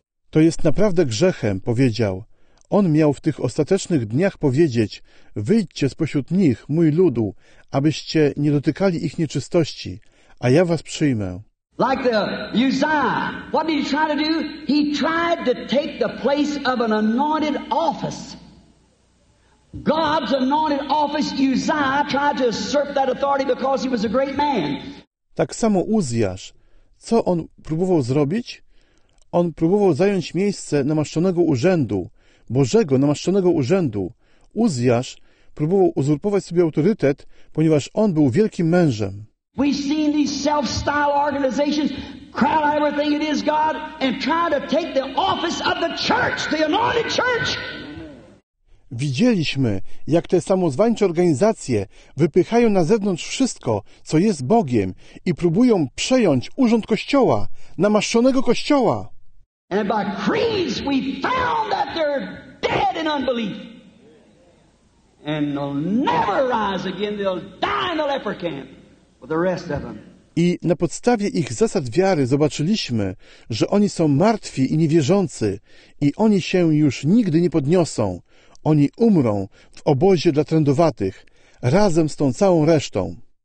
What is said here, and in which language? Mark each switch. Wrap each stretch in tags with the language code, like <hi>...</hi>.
<pl>To jest naprawdę grzechem, powiedział. On miał w tych ostatecznych dniach powiedzieć: wyjdźcie spośród nich, mój ludu, abyście nie dotykali ich nieczystości, a ja was przyjmę.</pl> <en>Like the Uzziah, what did he try to do? He tried to take the place of an anointed office. God's anointed office, Uzziah tried to usurp that authority because he was a great man.</en> <pl>Tak samo Uzziasz, co on próbował zrobić? On próbował zająć miejsce namaszczonego urzędu, Bożego namaszczonego urzędu. Uzziasz próbował uzurpować sobie autorytet, ponieważ on był wielkim mężem.</pl> <en>We've seen these self-styled organizations cry out everything it is God and try to take the office of the church, the anointed church.</en> <pl>Widzieliśmy, jak te samozwańcze organizacje wypychają na zewnątrz wszystko, co jest Bogiem i próbują przejąć urząd Kościoła, namaszczonego Kościoła.</pl> <en>And by creeds we found that they're dead in unbelief. And they'll never rise again, they'll die in the leper camp with the rest of them.</en> <pl>I na podstawie ich zasad wiary zobaczyliśmy, że oni są martwi i niewierzący i oni się już nigdy nie podniosą. Oni umrą w obozie dla trędowatych, razem z tą całą resztą.</pl>